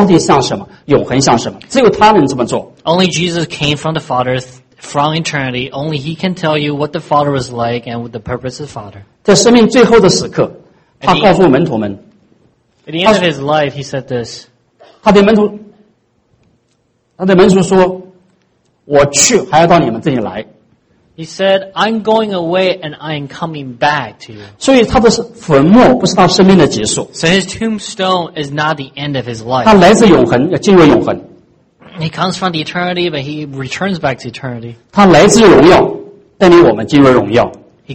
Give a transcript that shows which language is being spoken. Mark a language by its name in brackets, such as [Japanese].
[Chinese] 耶稣知道父将万有交在他的手中，前知道自己是从神出来的，又要回到神那儿去。只有他从神而来，只有他从永恒而来。他告诉你，上帝像什么，永恒像什么。只有他能这么做。 [English] Only Jesus came from the Father from eternity. Only He can tell you what the Father was like and what the purpose of the Father. [Chinese] 在生命最后的时刻，他告诉门徒们。 [English] At the end of His life, He said this. [Chinese] 他对门徒说。我去，还要到你们这里来。 [English] He said, "I'm going away, and I'm coming back to you." [Chinese] 所以他的坟墓不是他生命的结束。 [English] So his tombstone is not the end of his life. [Chinese] 他来自永恒，要进入永恒。 [English] He comes from the eternity, but he returns back to eternity. [Chinese] 他来自荣耀，带领我们进入荣耀。 [English] He